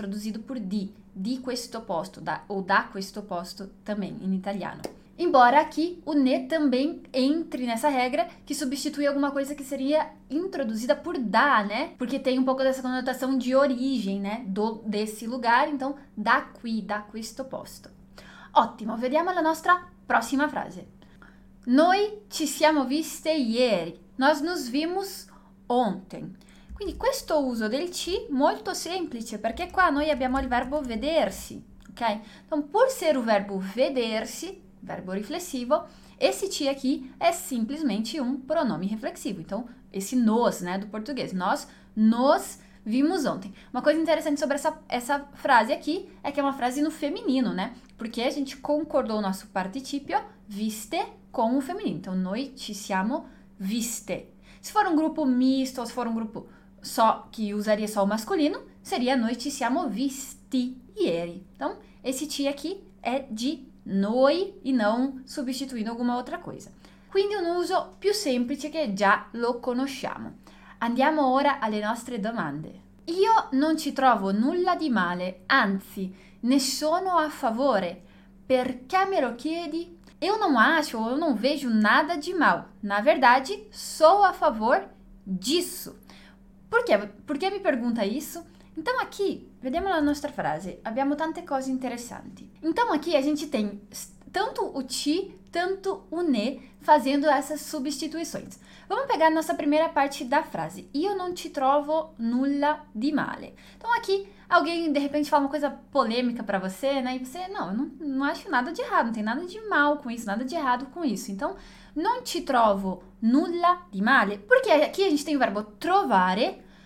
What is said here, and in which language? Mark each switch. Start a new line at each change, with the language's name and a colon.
Portuguese: Introduzido por
Italian: di questo posto,
Portuguese: ou
Italian: da questo posto
Portuguese: também, em italiano. Embora aqui o ne também entre nessa regra que substitui alguma coisa que seria introduzida por da, né? Porque tem um pouco dessa conotação de origem, né? Desse lugar, então
Italian: da qui, da questo posto. Ottimo, vediamo la nostra prossima frase. Noi ci siamo viste ieri.
Portuguese: Nós nos vimos ontem.
Italian: Quindi questo uso del ci molto semplice, perché qua noi abbiamo il verbo vedersi, ok?
Portuguese: Então, pur ser o verbo vedersi, verbo riflessivo, esse ti aqui é simplesmente um pronome reflexivo. Então, esse nós, né, do português. Nós nos vimos ontem. Uma coisa interessante sobre essa frase aqui é que é uma frase no feminino, né? Porque a gente concordou o nosso participio viste com o feminino.
Italian: Então, noi ci siamo viste.
Portuguese: Se for um grupo misto, ou se for um grupo só que usaria só o masculino, seria
Italian: noi ci siamo visti ieri.
Portuguese: Então, esse ti aqui é de noi e não substituindo alguma outra coisa.
Italian: Quindi un uso più semplice che già lo conosciamo. Andiamo ora alle nostre domande. Io non ci trovo nulla di male, anzi, ne sono a favore. Perché me lo chiedi?
Portuguese: Eu não acho ou eu não vejo nada de mal. Na verdade, sou a favor disso. Por quê? Por que me pergunta isso? Então aqui,
Italian: vediamo la nostra frase. Abbiamo tante cose interessanti.
Portuguese: Então aqui a gente tem tanto o ti, tanto o ne fazendo essas substituições. Vamos pegar nossa primeira parte da frase.
Italian: Io non ci trovo nulla di male.
Portuguese: Então aqui alguém de repente fala uma coisa polêmica para você, né? E você, não acho nada de errado, não tem nada de mal com isso, nada de errado com isso. Então,
Italian: non ci trovo nulla di male,
Portuguese: porque aqui a gente tem o verbo trovare.